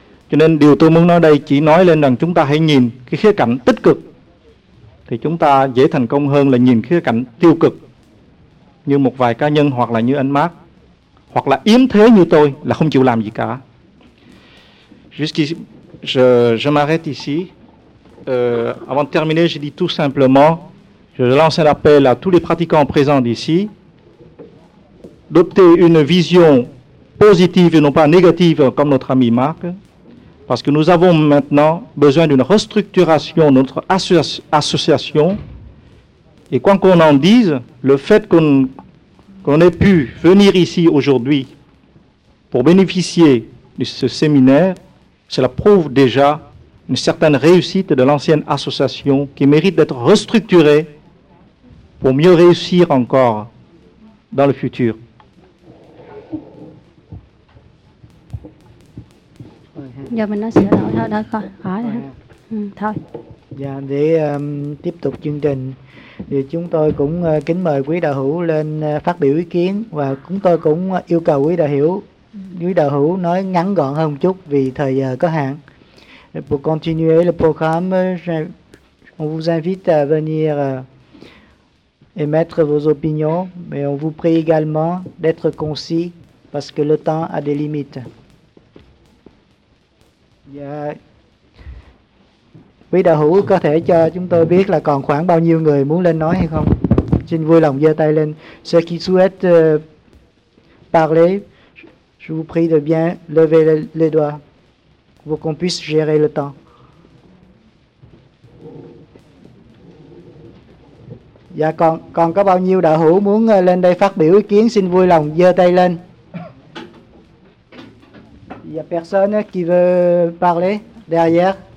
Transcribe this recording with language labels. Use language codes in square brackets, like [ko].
[vi] Cho nên điều tôi muốn nói đây chỉ nói lên rằng chúng ta hãy nhìn cái khía cạnh tích cực, thì chúng ta dễ thành công hơn là nhìn khía cạnh tiêu cực, như một vài cá nhân hoặc là như anh Mark, hoặc là yếm thế như tôi là không chịu làm gì cả. [fr] Je m'arrête ici. Avant de terminer, je dis tout simplement, je lance un appel à tous les pratiquants présents ici, d'opter une vision positive et non pas négative comme notre ami Marc, parce que nous avons maintenant besoin d'une restructuration de notre association. Et quoi qu'on en dise, le fait qu'on ait pu venir ici aujourd'hui pour bénéficier de ce séminaire, cela prouve déjà une certaine réussite de l'ancienne association qui mérite d'être restructurée pour mieux réussir encore dans le futur. [vi] Giờ mình nói sửa đổi thôi, đợi coi, khỏi rồi thôi. Dạ, để tiếp tục chương trình thì chúng tôi cũng kính mời quý đạo hữu lên phát biểu ý kiến, và chúng tôi cũng yêu cầu quý đạo hữu nói ngắn gọn hơn một chút vì thời giờ có hạn. [fr] Pour continuer le programme, on vous invite à venir émettre vos opinions, mais on vous prie également d'être concis parce que le temps a des limites. [vi] Dạ. Quý đạo hữu có thể cho chúng tôi biết là còn khoảng bao nhiêu người muốn lên nói hay không? Xin vui lòng giơ tay lên. Ceux qui souhaitent parler, je vous prie de bien lever les doigts pour qu'on puisse gérer le temps. Dạ, còn có bao nhiêu đạo hữu muốn lên đây phát biểu ý kiến, xin vui lòng giơ tay lên. [fr] Il n'y a personne qui veut parler derrière.